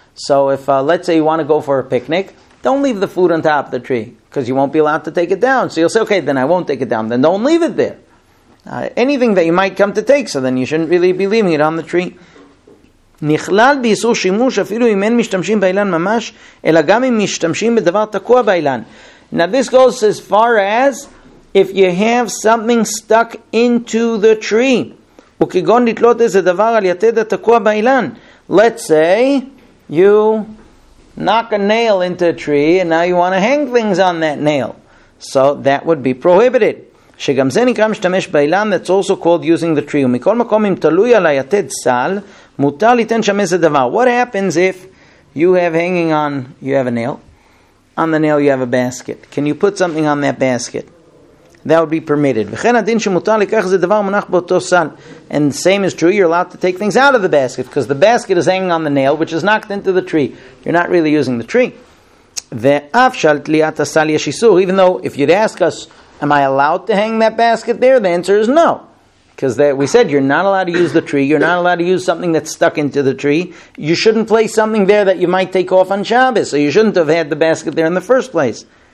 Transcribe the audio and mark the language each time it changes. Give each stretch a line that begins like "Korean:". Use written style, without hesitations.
English: So if, let's say you want to go for a picnic, don't leave the food on top of the tree because you won't be allowed to take it down. So you'll say, okay, then I won't take it down. Then don't leave it there. Anything that you might come to take, so then you shouldn't really be leaving it on the tree.
Hebrew: נחלל ביסור שימוש אפילו אם אין משתמשים באילן ממש, אלא גם אם משתמשים בדבר תקוע באילן.
English: Now this goes as far as if you have something stuck into the tree.
Hebrew: וכגון לתלות איזה דבר על יתד התקוע באילן.
English: Let's say you knock a nail into a tree and now you want to hang things on that nail. So that would be prohibited.
Hebrew: שגם זה נקרא משתמש באילן,
English: that's also called using the tree.
Hebrew: ומכל מקום אם תלוי על היתד סל, מותר ליתן שם איזה דבר.
English: What happens if you have hanging on, you have a nail, on the nail you have a basket. Can you put something on that basket? That would be permitted.
Hebrew: וכן הדין שמותר לקח איזה דבר מונח באותו סל.
English: And the same is true, you're allowed to take things out of the basket, because the basket is hanging on the nail, which is knocked into the tree. You're not really using the tree.
Hebrew: ואף שעל תליאת הסל יש איסור.
English: Even though, if you'd ask us, am I allowed to hang that basket there? The answer is no. Because we said you're not allowed to use the tree. You're not allowed to use something that's stuck into the tree. You shouldn't place something there that you might take off on Shabbos. So you shouldn't have had the basket there in the first place.